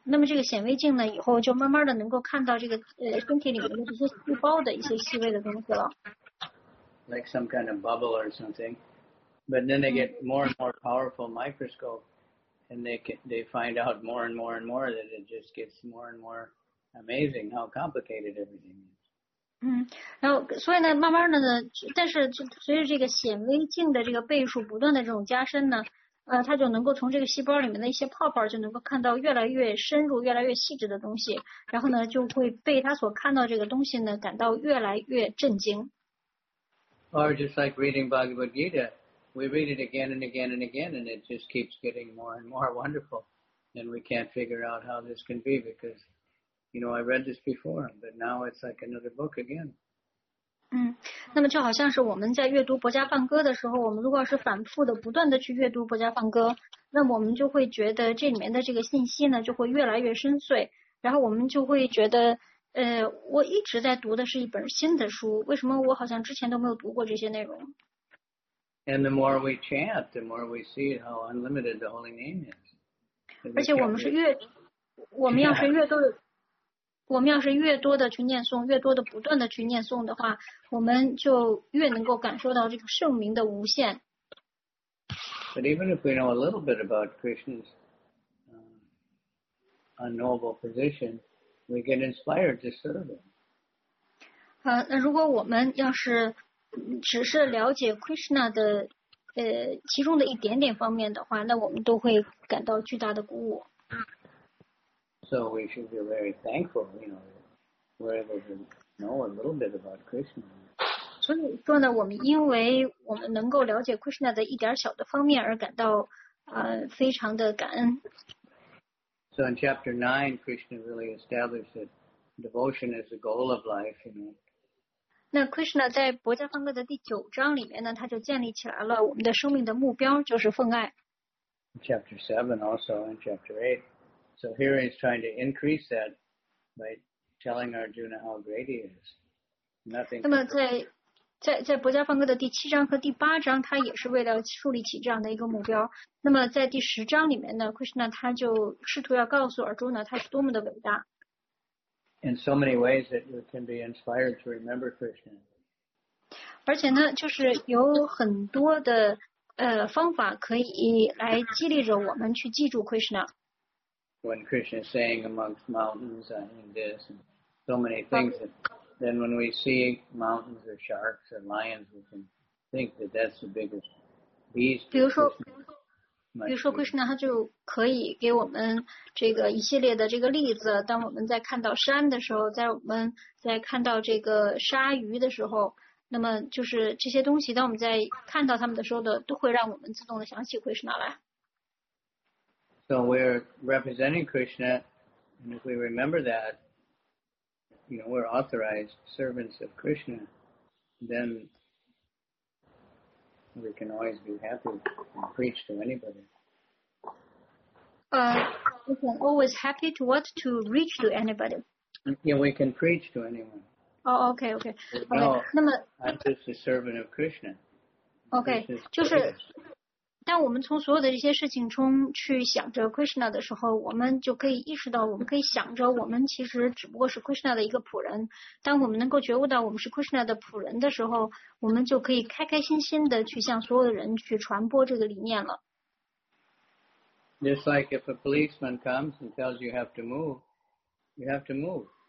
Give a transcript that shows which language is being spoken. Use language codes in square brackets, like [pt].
[zh] 那么这个显微镜呢，以后就慢慢的能够看到这个身体里面的这些细胞的一些细微的东西了。 [en] like some kind of bubble or something. But then they get more and more powerful microscope, and they find out more and more and more that it just gets more and more amazing how complicated everything is. [zh] 嗯，然后所以呢，慢慢的呢，但是随着这个显微镜的这个倍数不断的这种加深呢，它就能够从这个细胞里面的一些泡泡就能够看到越来越深入、越来越细致的东西，然后呢，就会被它所看到这个东西呢感到越来越震惊。 [en] Or just like reading Bhagavad Gita, we read it again and again and again, and it just keeps getting more and more wonderful, and we can't figure out how this can be because. You know, I read this before, but now it's like another book again. [zh] 嗯，那么就好像是我们在阅读《博伽梵歌》的时候，我们如果是反复的、不断的去阅读《博伽梵歌》，那么我们就会觉得这里面的这个信息呢，就会越来越深邃。然后我们就会觉得，我一直在读的是一本新的书，为什么我好像之前都没有读过这些内容 [en] ？And the more we chant, the more we see how unlimited the holy name is. [zh] 而且我们是越，我们要是越多的。我们要是越多的去念诵，越多的不断的去念诵的话，我们就越能够感受到这个圣名的无限。 [en] But even if we know a little bit about Krishna's unknowable position, we get inspired to serve him. [zh] 那如果我们要是只是了解 Krishna 的其中的一点点方面的话，那我们都会感到巨大的鼓舞。 [en] So we should be very thankful, you know, we're able to know a little bit about Krishna. [zh] 所以说呢，我们因为我们能够了解 Krishna 的一点小的方面而感到非常的感恩。 [en] So in chapter 9, Krishna really established that devotion is the goal of life. You know? [zh] 那 Krishna 在《博伽梵歌》的第九章里面呢，他就建立起来了我们的生命的目标就是奉爱。 [en] Chapter 7 also in chapter 8. So here he's trying to increase that by telling Arjuna how great he is. Nothing. [zh] 那么在《博伽梵歌》的第七章和第八章，他也是为了树立起这样的一个目标。那么在第十章里面呢 ，Krishna 他就试图要告诉 Arjuna 他是多么的伟大。 [en] In so many ways that you can be inspired to remember Krishna. [zh] 而且呢，就是有很多的方法可以来激励着我们去记住 Krishna。 [en] When Krishna is saying amongst mountains and this and so many things, then when we see mountains or sharks or lions, we can think that that's the biggest beast. [zh] 比如说 Krishna 他就可以给我们这个一系列的这个例子。当我们在看到山的时候，在我们在看到这个鲨鱼的时候，那么就是这些东西，当我们在看到他们的时候的，都会让我们自动的想起 Krishna 来。 [en] So we're representing Krishna, and if we remember that, you know, we're authorized servants of Krishna, then we can always be happy and preach to anybody. We can always happy to what? To reach to anybody. Yeah, we can preach to anyone. Oh, okay, okay. No, okay. I'm just a servant of Krishna. [zh] Okay, 就是当我们从所有的这些事情中去想着 Krishna 的时候，我们就可以意识到，我们可以想着我们其实只不过是 Krishna 的一个仆人。当我们能够觉悟到我们是 Krishna 的仆人的时候，我们就可以开开心心的去向所有的人去传播这个理念了。 [en] Just like if a policeman comes and tells you have to move, you have to move.